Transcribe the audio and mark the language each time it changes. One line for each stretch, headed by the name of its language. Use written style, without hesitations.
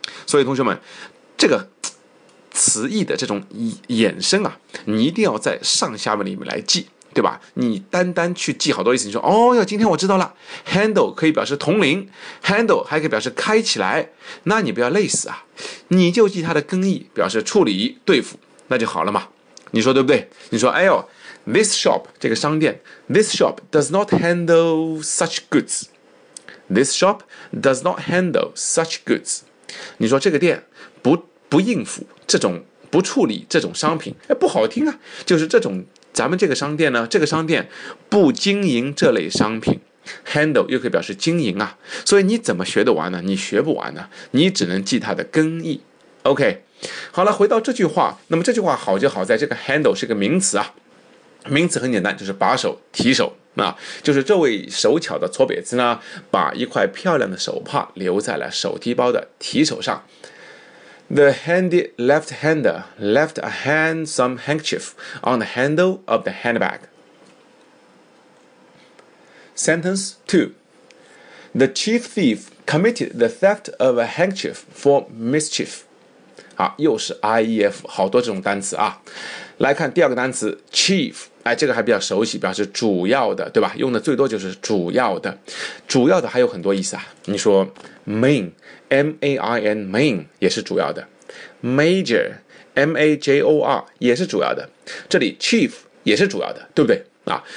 Chinese: 所以同学们，这个词义的这种衍生啊，你一定要在上下文里面来记，对吧？你单单去记好多意思，你说哦哟，今天我知道了 ，handle 可以表示同龄 ，handle 还可以表示开起来，那你不要累死啊，你就记它的更义，表示处理、对付，那就好了嘛。你说对不对？你说哎呦
English: ，this shop
Chinese: 这个商店
English: ，this shop does not handle such goods， this shop does not handle such goods。
Chinese: 你说这个店不应付这种不处理这种商品，哎，不好听啊！就是这种咱们这个商店呢，这个商店不经营这类商品 ，handle 又可以表示经营啊。所以你怎么学得完呢？你学不完呢，你只能记它的更义。 OK， 好了，回到这句话，那么这句话好就好在这个 handle 是个名词啊，名词很简单，就是把手、提手。那就是这位手巧的搓瘪子呢，把一块漂亮的手帕留在了手提包的提手上。
English: The handy left-hander left a handsome handkerchief on the handle of the handbag. Sentence 2. The chief thief committed the theft of a handkerchief for mischief.
Chinese: 好，又是 IEF， 好多这种单词啊。来看第二个单词 chief， 哎，这个还比较熟悉，表示主要的，对吧？用的最多就是主要的。主要的还有很多意思啊，你说 main M-A-I-N main 也是主要的， major M-A-J-O-R 也是主要的，这里 chief 也是主要的，对不对啊？